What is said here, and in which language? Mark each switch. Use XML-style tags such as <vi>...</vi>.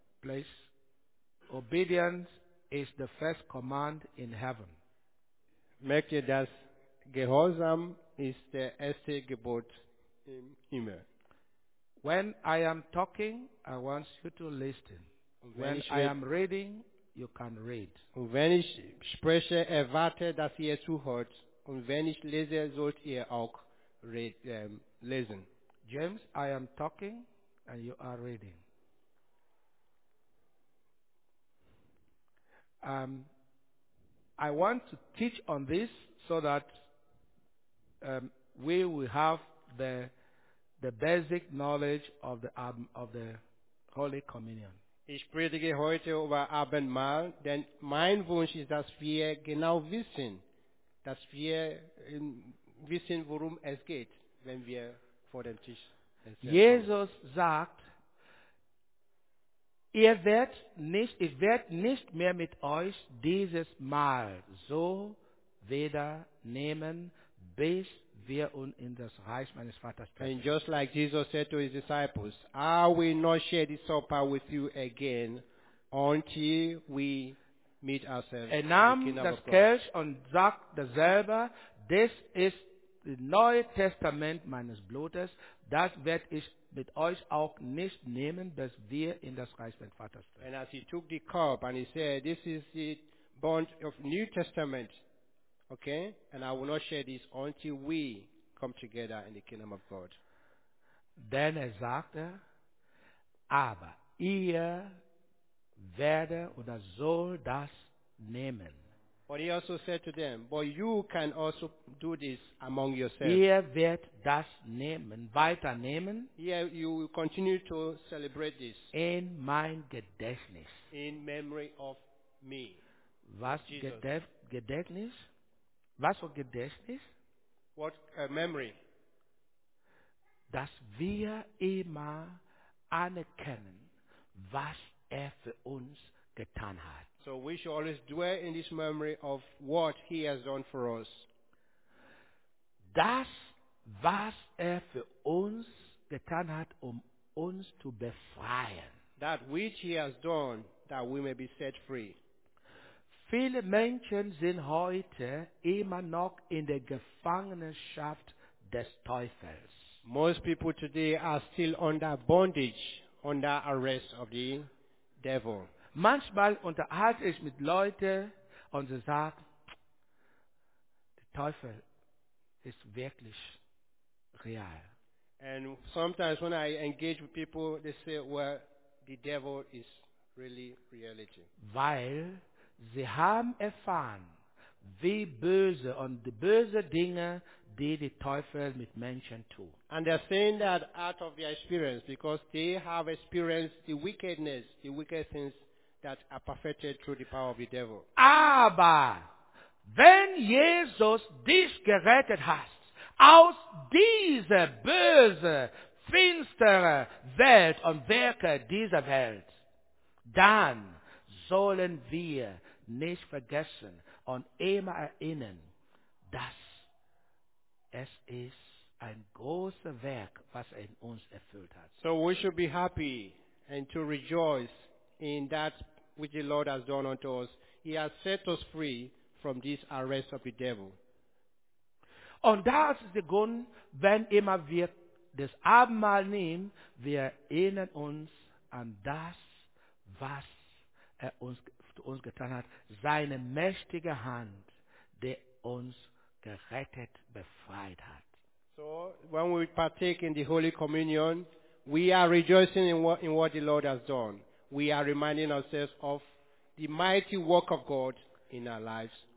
<en>Please. Obedience is the first command in heaven.</en> <de>Merkt ihr das? Gehorsam ist der erste Gebot im Himmel.</de> <en>When I am talking, I want you to listen. When I am reading, you can read.</en> <de>Und wenn ich spreche, erwarte, dass ihr zuhört. Und wenn ich lese, sollt ihr auch lesen.</de> <en>James, I am talking and you are reading. I want to teach on this so that we will have the basic knowledge of the Holy Communion.</en> <de>Ich predige heute über Abendmahl, denn mein Wunsch ist, dass wir genau wissen, dass wir wissen, worum es geht, wenn wir vor dem Tisch essen. Jesus sagt, ich werde nicht mehr mit euch dieses Mal so wieder nehmen, bis wir uns in das Reich meines Vaters treffen.</de> <en>And just like Jesus said to his disciples, I will not share this supper with you again until we meet ourselves.</en> <de>Er nahm das Kelch und sagte selber, das ist das Neue Testament meines Blutes, das werde ich mit euch auch nicht nehmen, bis wir in das Reich des Vaters treten.</de> <en>And as he took the cup and he said, this is the bond of New Testament, okay? And I will not share this until we come together in the kingdom of God.</en> <de>Denn er sagte, aber ihr werdet oder sollt das nehmen.</de> <en>But he also said to them, but you can also do this among yourselves.</en> <de>Ihr werdet das nehmen, weiternehmen.</de> <en>Yeah, you will continue to celebrate this.</en> <de>In mein Gedächtnis.</de> <en>In memory of me.</en> <de>Was Gedächtnis? Was für Gedächtnis?</de> <en>What memory?</en> <de>Dass wir immer anerkennen, was er für uns getan hat.</de> <en>So we should always dwell in this memory of what he has done for us.</en> <de>Das, was er für uns getan hat, uns zu befreien.</de> <en>That which he has done, that we may be set free.</en> <de>Viele Menschen sind heute immer noch in der Gefangenschaft des Teufels.</de> <en>Most people today are still under bondage, under arrest of the devil.</en> <de>Manchmal unterhalte ich mit Leuten und sie sagen, der Teufel ist wirklich real.</de> <en>And sometimes when I engage with people, they say, well, the devil is really reality.</en> <de>Weil sie haben erfahren, wie böse und die böse Dinge, die der Teufel mit Menschen tut.</de> <en>And they're saying that out of their experience, because they have experienced the wickedness, the wicked things that are perfected through the power of the devil.</en> <de>Aber wenn Jesus dich gerettet hat aus dieser böse, finstere Welt und Werke dieser Welt, dann sollen wir nicht vergessen und immer erinnern, dass es ist ein großes Werk, was er in uns erfüllt hat.</de> <en>So we should be happy and to rejoice in that which the Lord has done unto us. He has set us free from this arrest of the devil.</en> <de>Und das ist der Grund, wenn immer wir das Abendmahl nehmen, wir erinnern uns an das, was er uns uns getan hat, seine mächtige Hand, die uns gerettet, befreit hat.</de> <en>So, when we partake in the Holy Communion, we are rejoicing in what the Lord has done. We are reminding ourselves of the mighty work of God in our lives.</en>